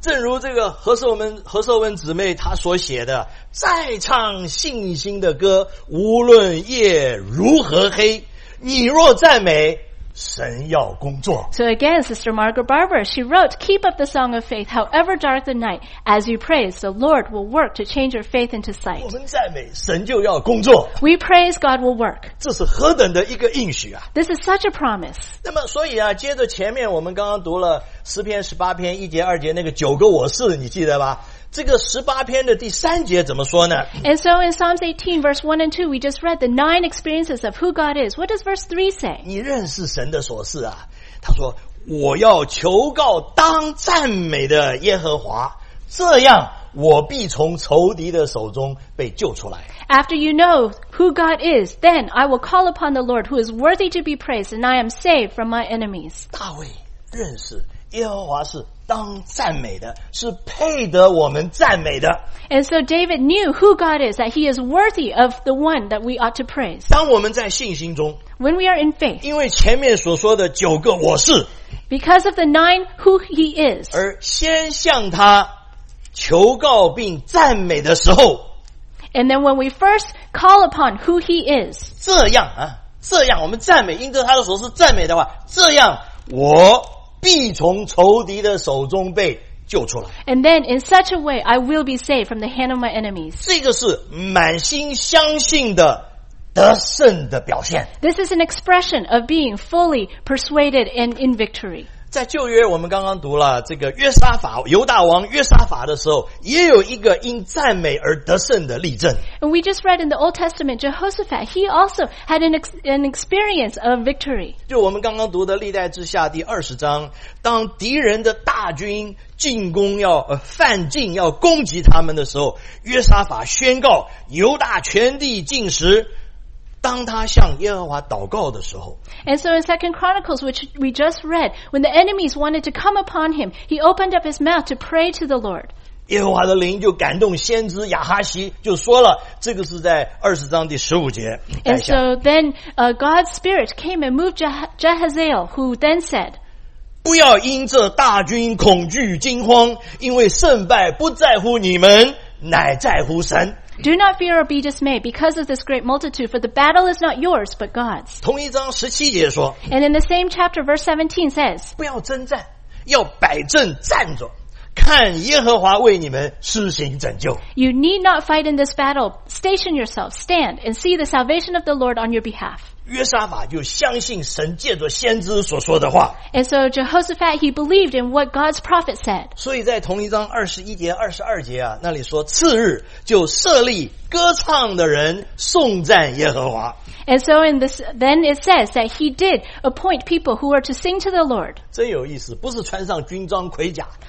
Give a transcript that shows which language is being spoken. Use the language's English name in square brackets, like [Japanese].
[Chinese] 正如这个何寿文姊妹她所写的，再唱信心的歌，无论夜如何黑，你若赞美，神要工作。 [English] So again, Sister Margaret Barber, she wrote, keep up the song of faith, however dark the night, as you praise, the Lord will work to change your faith into sight. [Chinese] 我们赞美，神就要工作。 [English] We praise, God will work. [Chinese] 这是何等的一个应许啊。 [English] This is such a promise. [Chinese] 那么所以啊，接着前面我们刚刚读了诗篇十八篇一节二节那个九个我是，你记得吧？这个十八篇的第三节怎么说呢 [English] ？And so in Psalms 18, verse 1 and 2, we just read the nine experiences of who God is. What does verse 3 say? [Chinese] 你认识神的所事啊？他说：“我要求告当赞美的耶和华，这样我必从仇敌的手中被救出来。” [English] After you know who God is, then I will call upon the Lord, who is worthy to be praised, and I am saved from my enemies. [Chinese] 大卫认识耶和华是。当赞美的是配得我们赞美的。 [English] And so David knew who God is, that he is worthy of the one that we ought to praise. [Chinese] 当我们在信心中 [English] When we are in faith. [Chinese] 因为前面所说的九个我是 [English] Because of the nine who he is. [Chinese] 而先向他求告并赞美的时候 [English] And then when we first call upon who he is. [Chinese] 这样啊，这样我们赞美，因着他的所是赞美的话，这样我必从仇敌的手中被救出来。 [English] And then, in such a way, I will be saved from the hand of my enemies. [Chinese] 这个是满心相信的得胜的表现。 [English] This is an expression of being fully persuaded and in victory. [Chinese] 在旧约，我们刚刚读了这个约沙法，犹大王约沙法的时候，也有一个因赞美而得胜的例证。 [English] And we just read in the Old Testament, Jehoshaphat, he also had an experience of victory. [Chinese] 就我们刚刚读的历代志下第二十章，当敌人的大军进攻要犯境要攻击他们的时候，约沙法宣告犹大全地禁食。当他向耶和华祷告的时候 [English] And so in 2 Chronicles, which we just read, when the enemies wanted to come upon him, he opened up his mouth to pray to the Lord. [Chinese] 耶和华的灵就感动先知亚哈西就说了这个是在20章第15节 [English] And so then, God's Spirit came and moved Jehaziel, who then said, [Chinese] 不要因这大军恐惧惊慌因为胜败不在乎你们乃在乎神 [English] Do not fear or be dismayed because of this great multitude, for the battle is not yours, but God's. [Chinese] 同一章十七节说 [English] And in the same chapter, verse 17 says, [Chinese] 不要征战，要摆正站着，看耶和华为你们施行拯救。 [English] You need not fight in this battle. Station yourself, stand, and see the salvation of the Lord on your behalf. [Chinese] 约沙法就相信神借着先知所说的话。 [English] And so Jehoshaphat, he believed in what God's prophet said. [Chinese] 所以在同一章21节、22节啊，那里说次日就设立歌唱的人颂赞耶和华。 [English] And so in this, then it says that he did appoint people who were to sing to the Lord. [Chinese] 真有意思，不是穿上军装盔甲。